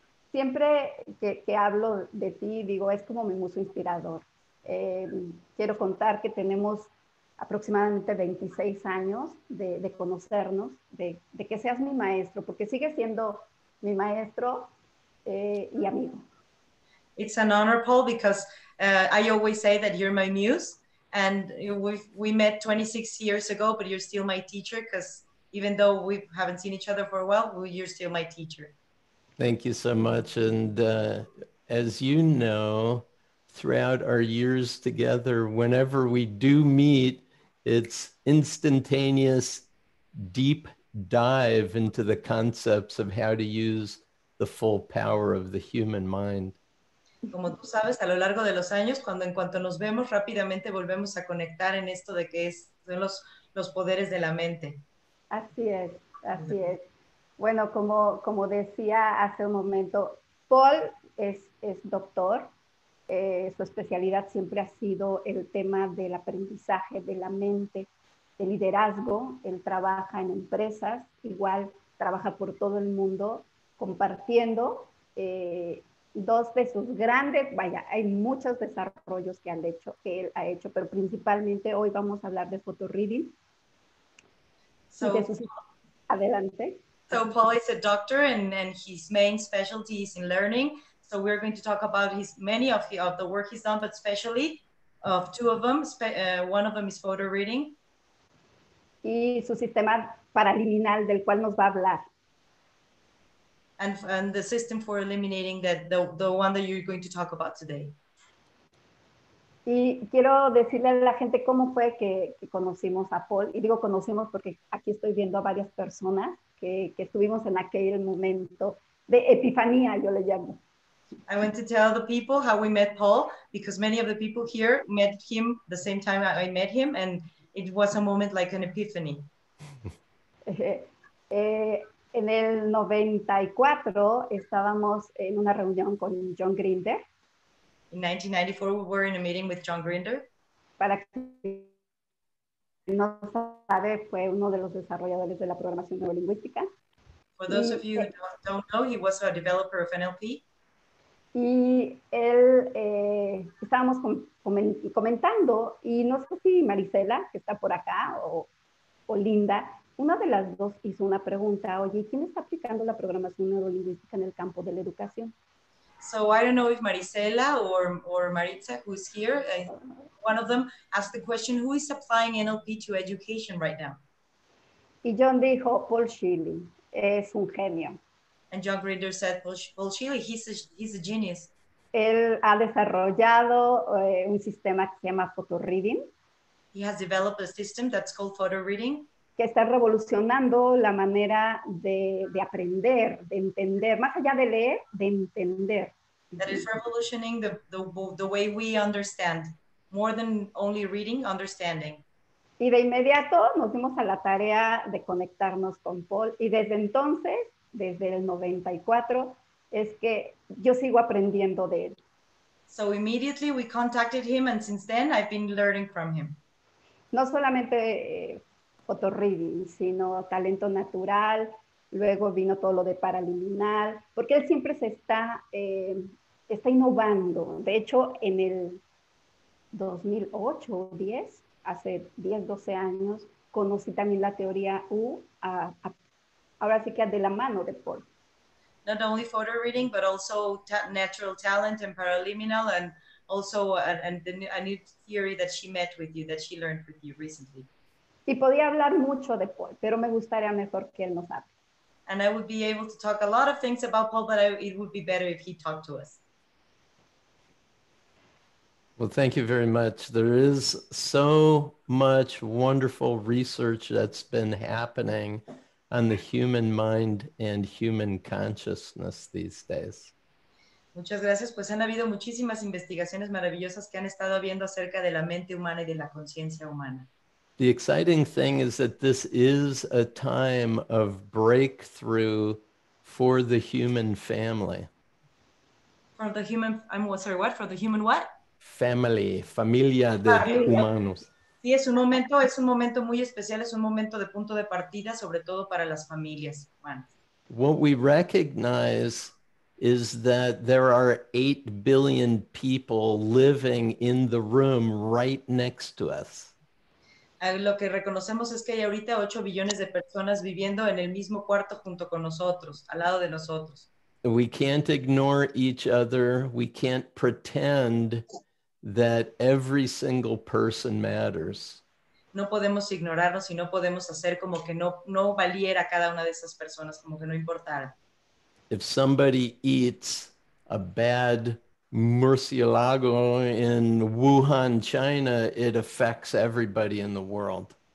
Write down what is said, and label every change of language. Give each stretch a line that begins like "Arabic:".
Spanish: Siempre que hablo de ti, digo, es como mi muso inspirador. Quiero contar que tenemos aproximadamente 26 años de conocernos, de que seas mi maestro, porque sigue siendo mi maestro y amigo.
English: It's an honor, Paul, because I always say that you're my muse, and we met 26 years ago, but you're still my teacher, because even though we haven't seen each other for a while, you're still my teacher. Thank you so much. And as you know, throughout our years together, whenever we do meet, it's instantaneous, deep dive into the concepts of how to use the full power of the human mind.
Spanish: Como tú sabes, a lo largo de los años, cuando en cuanto nos vemos, rápidamente volvemos a conectar en esto de que son los poderes de la mente. Así es, así es. Bueno, como decía hace un momento, Paul es doctor. Su especialidad siempre ha sido el tema del aprendizaje de la mente, de liderazgo. Él trabaja en empresas, igual trabaja por todo el mundo compartiendo dos de sus grandes, vaya, hay muchos desarrollos que él ha hecho, pero principalmente hoy vamos a hablar de photo reading. Adelante.
English: So Paul is a doctor and his main specialty is in learning. So we're going to talk about many of the work he's done, but especially of two of them. One of them is photo reading.
Spanish: Y su sistema paraliminal del cual nos va a hablar.
English: And the system for eliminating the one that you're going to talk about today.
Spanish: Y quiero decirle a la gente cómo fue que conocimos a Paul. Y digo conocimos porque aquí estoy viendo a varias personas que estuvimos en aquel momento de epifanía, yo le llamo.
English: I want to tell the people how we met Paul, because many of the people here met him the same time I met him, and it was a moment like an epiphany.
Spanish: En el 94 estábamos en una reunión con John Grinder.
English: In 1994 we were in a meeting with John Grinder.
Spanish: Para quien no sabe, fue uno de los desarrolladores de la programación neurolingüística.
English: For those of you who don't know, he was a developer of NLP.
Spanish: Y él, estábamos comentando, y no sé si Marisela, que está por acá, o Linda, una de las dos hizo una pregunta, oye, ¿quién está aplicando la programación neurolingüística en el campo de la educación?
English: So I don't know if Marisela or Maritza, who's here, one of them asked the question, who is applying NLP to education right now?
Spanish: Y John dijo, Paul Schilling, es un genio.
English: And John Grinder said, well, Shirley, he's a genius.
Spanish: Él ha desarrollado un sistema que se llama photo reading.
English: He has developed a system that's called photo reading.
Spanish: Que está revolucionando la manera de aprender, de entender, más allá de leer, de entender.
English: That is revolutionizing the way we understand. More than only reading, understanding.
Spanish: Y de inmediato nos dimos a la tarea de conectarnos con Paul. Y desde entonces, desde el 94, es que yo sigo aprendiendo de él.
English: So immediately we contacted him, and since then I've been learning from him.
Spanish: No solamente photo reading, sino talento natural, Luego vino todo lo de paraliminal, porque él siempre se está, está innovando. De hecho, en el 2008 o 10, hace 10, 12 años, conocí también la teoría U, ahora sí que de la mano de Paul.
English: Not only photo reading, but also natural talent and paraliminal, and also a new theory that she met with you, that she learned with you recently.
Spanish: Y podía hablar mucho de Paul, pero me gustaría mejor que él nos hable.
English: And I would be able to talk a lot of things about Paul, but it would be better if he talked to us. Well, thank you very much. There is so much wonderful research that's been happening on the human mind and human consciousness these days.
Spanish: Muchas gracias. Pues han habido muchísimas investigaciones maravillosas que han estado viendo acerca de la mente humana y de la conciencia humana.
English: The exciting thing is that this is a time of breakthrough for the human family. For the human, for the human what? Family,
Spanish: familia de humanos. Sí, es un momento muy especial, es un momento de punto de partida, sobre todo para las familias humanas.
English: What we recognize is that there are 8 billion people living in the room right next to us.
Spanish: Lo que reconocemos es que hay ahorita 8 billones de personas viviendo en el mismo cuarto junto con nosotros, al lado de nosotros.
English: We can't ignore each other. We can't pretend that every single person matters.
Spanish: No podemos ignorarnos y no podemos hacer como que no valiera cada una de esas personas, como que no importara.
English: If somebody eats a bad murciélago in Wuhan, China, it affects everybody in the world.